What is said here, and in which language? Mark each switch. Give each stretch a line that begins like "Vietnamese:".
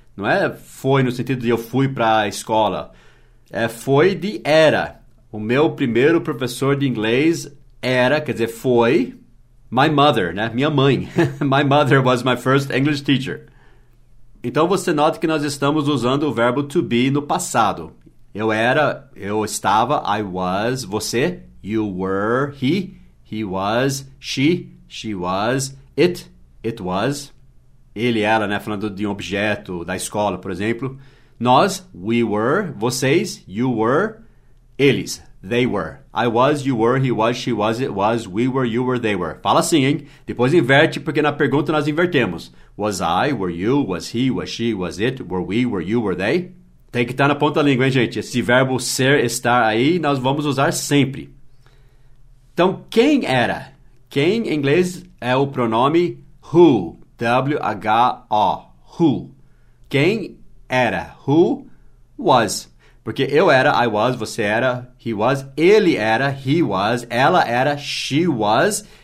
Portuguese: Não é foi no sentido de eu fui para a escola. É foi de era. O meu primeiro professor de inglês era, quer dizer, foi
English: my mother,
Portuguese: né? Minha mãe.
English: My mother was my first English teacher.
Portuguese: Então, você nota que nós estamos usando o verbo to be no passado. Eu era, eu estava,
English: I was,
Portuguese: você...
English: You were, he was, she was, it was.
Portuguese: Ele, ela, né? Falando de um objeto da escola, por exemplo. Nós,
English: we were,
Portuguese: vocês,
English: you were,
Portuguese: eles,
English: they were. I was, you were, he was, she was, it was, we were, you were, they were.
Portuguese: Fala assim, hein? Depois inverte, porque na pergunta nós invertemos.
English: Was I, were you, was he, was she, was it, were we, were you, were they?
Portuguese: Tem que estar na ponta da língua, hein, gente? Esse verbo ser, estar aí, nós vamos usar sempre. Então, quem era? Quem, em inglês, é o pronome who, W-H-O, who. Quem era?
English: Who was?
Portuguese: Porque eu era,
English: I was,
Portuguese: você era,
English: he was,
Portuguese: ele era, he was, ela era,
English: she was.